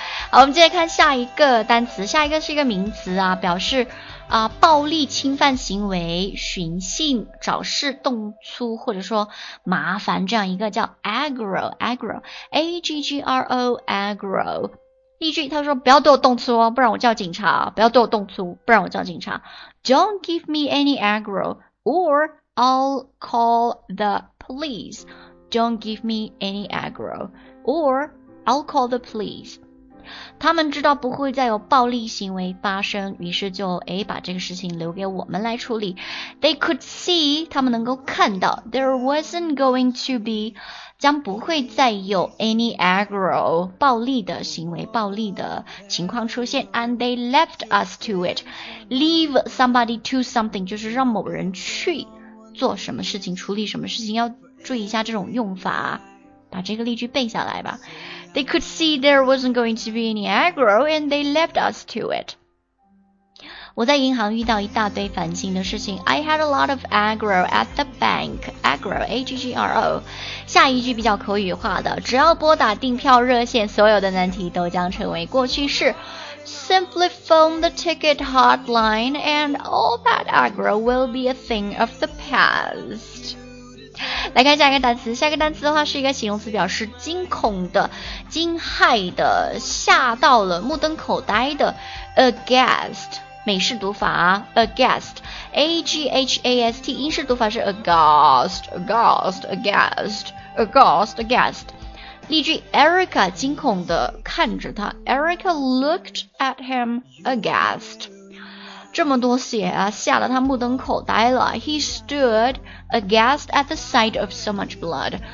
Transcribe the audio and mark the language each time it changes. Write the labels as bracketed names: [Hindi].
[Chinese] 好，我们接着看下一个单词，下一个是一个名词啊，表示暴力侵犯行为，寻衅找事，动粗或者说麻烦，这样一个叫 aggro。例句，他说不要对我动粗哦，不然我叫警察，不要对我动粗，不然我叫警察。 [English] Don't give me any aggro or I'll call the police. Don't give me any aggro or I'll call the police. [Chinese] 他们知道不会再有暴力行为发生，于是就把这个事情留给我们来处理。 [English] They could see, [Chinese] 他们能够看到， [English] there wasn't going to be, [Chinese] 将不会再有 [English] any aggro [Chinese] 暴力的行为、暴力的情况出现。 [English] And they left us to it. Leave somebody to something [Chinese] 就是让某人去做什么事情、处理什么事情，要注意一下这种用法，把这个例句背下来吧。 [English] They could see there wasn't going to be any aggro and they left us to it. [Chinese] 我在银行遇到一大堆烦心的事情。 [English] I had a lot of aggro at the bank. Aggro, A-G-G-R-O。 [Chinese] 下一句比较口语化的，只要拨打订票热线，所有的难题都将成为过去式。 [English] Simply phone the ticket hotline and all that aggro will be a thing of the past. [Chinese] 来看下一个单词，下一个单词的话是一个形容词，表示惊恐的、惊骇的、吓到了、目瞪口呆的。 Aghast， 美式读法 ，aghast。 A-G-H-A-S-T 英式读法是 aghast. 例句， [English] Erica [Chinese] 惊恐地看着他， [English] Erica looked at him aghast. [Chinese] 这么多血啊，吓得他目瞪口呆了。 [English] He stood aghast at the sight of so much blood.